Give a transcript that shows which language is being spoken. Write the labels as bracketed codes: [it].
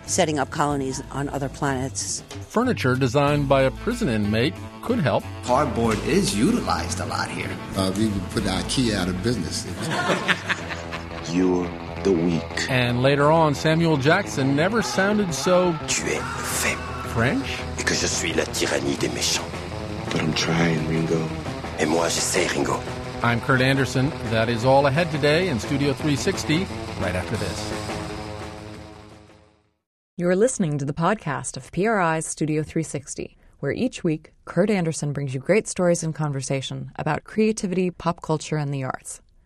[en] Setting up colonies on other planets. Furniture designed by a prison inmate could help. Cardboard is utilized a lot here. We put IKEA out of business. You're the weak. And later on, Samuel Jackson never sounded so... [fr] Tu es faible. [en] French? [fr] Et que je suis la tyrannie des méchants. [en] But I'm trying, Ringo. [fr] Et moi, j'essaie, Ringo. [en] I'm Kurt Anderson. That is all ahead today in Studio 360, right after this. You're listening to the podcast of PRI's Studio 360, where each week, Kurt Anderson brings you great stories and conversation about creativity, pop culture, and the arts.